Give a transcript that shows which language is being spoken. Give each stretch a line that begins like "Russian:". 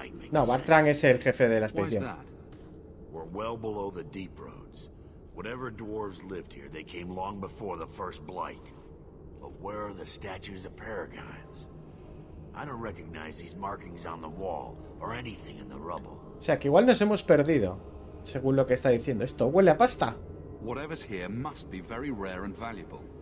Spanish: No, Bartran es el jefe de la expedición.
English: We're well below the deep roads. Whatever dwarves lived here, they came long before the first blight. But where are the statues of paragons? I don't recognize these markings on the wall or anything in the rubble.
Spanish: O sea, que igual nos hemos perdido, según lo que está diciendo. Esto huele a pasta.
English: Whatever's here must be very rare and valuable.